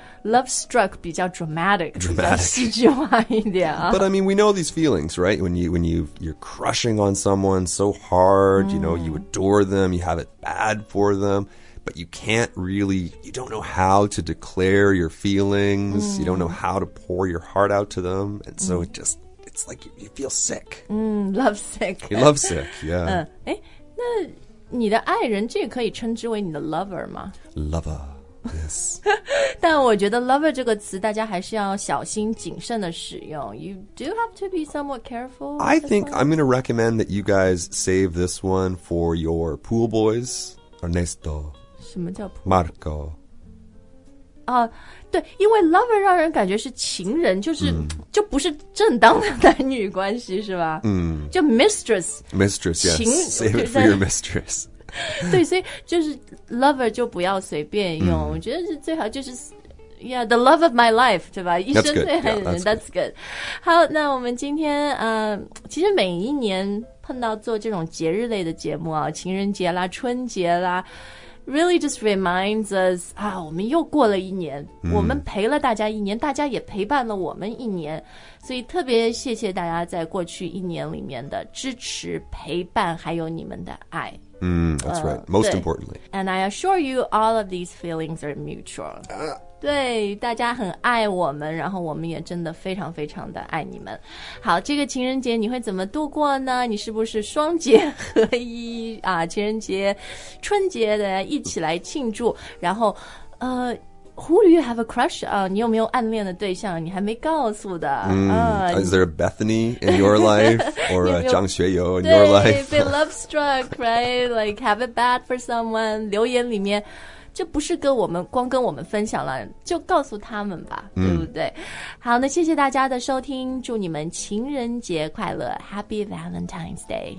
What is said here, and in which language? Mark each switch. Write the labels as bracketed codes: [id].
[zh] Love struck 比较 dramatic. [en] Dramatic. [zh] 比较戏剧化一点、啊、 [en] But I mean, we know these feelings, right? When you're crushing on someone so hard,、you know, you adore them, you have it bad for them, but you can't really, you don't know how to declare your feelings.、You don't know how to pour your heart out to them. And so、it just... It's like you feel sick. Love sick. You love sick, yeah. [zh] 那你的爱人这个可以称之为你的 lover 吗 [en] Lover, yes. [zh] 但我觉得 lover 这个词大家还是要小心谨慎的使用 [en] You do have to be somewhat careful. I think、 one? I'm going to recommend that you guys save this one for your pool boys. Ernesto. [zh] 什么叫 [en] pool? Marco. [zh] 对因为 lover 让人感觉是情人就是、就不是正当的男女关系是吧、就 mistress [en] mistress yes save it for your mistress [zh] 对所以就是 lover 就不要随便用、我觉得是最好就是 [en] yeah the love of my life [zh] 对吧一生最爱的人 [en] that's good. Yeah, that's good [zh] 好那我们今天、其实每一年碰到做这种节日类的节目啊，情人节啦春节啦 [en] Really just reminds us, [zh] 啊，我们又过了一年，我们陪了大家一年，大家也陪伴了我们一年，所以特别谢谢大家在过去一年里面的支持、陪伴，还有你们的爱。 [en] That's right, most importantly. And I assure you, all of these feelings are mutual. [zh] 对，大家很爱我们，然后我们也真的非常非常的爱你们。好，这个情人节你会怎么度过呢？你是不是双节合一啊？情人节、春节的一起来庆祝，然后 [en] Who do you have a crush on? [zh] 你有没有暗恋的对象你还没告诉的、 [en] Is there a Bethany in your life? Or a 张学友 in your life? [zh] 对被 [en] love struck, right? Like have it bad for someone. [zh] 留言里面这不是跟我们光跟我们分享了就告诉他们吧、对不对好那谢谢大家的收听祝你们情人节快乐 [en] Happy Valentine's Day.